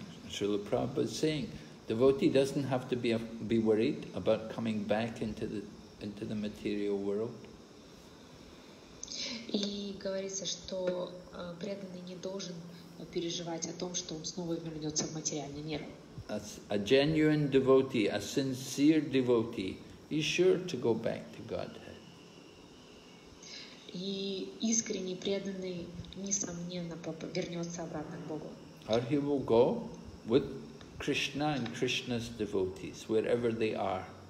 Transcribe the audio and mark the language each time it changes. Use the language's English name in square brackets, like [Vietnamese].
[English] Srila Prabhupada saying, devotee doesn't have to be worried about coming back into the material world. [Russian] И говорится, что преданный не должен переживать о том, что он снова вернется в материальный мир. [English] As a genuine devotee, a sincere devotee, is sure to go back to Godhead. [Russian] И искренний преданный несомненно вернется обратно к Богу. [English] Or he will go with Krishna and Krishna's devotees wherever they are.